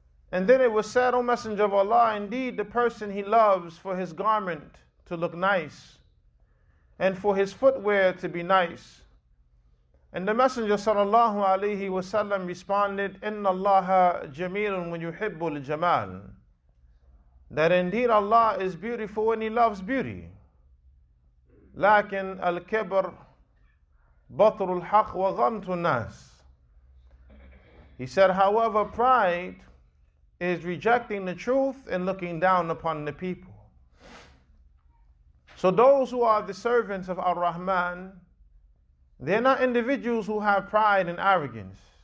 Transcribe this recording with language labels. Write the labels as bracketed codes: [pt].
[en] And then it was said, O Messenger of Allah, indeed the person he loves for his garment to look nice and for his footwear to be nice. And the Messenger sallallahu alayhi wa sallam responded, [ar] إِنَّ اللَّهَ جَمِيلٌ وَيُحِبُّ الْجَمَالِ. [en] That indeed Allah is beautiful and He loves beauty. [ar] لكن الكبر بطر الحق وغمط الناس. [en] He said, however, pride is rejecting the truth and looking down upon the people. So those who are the servants of Ar-Rahman, they're not individuals who have pride and arrogance.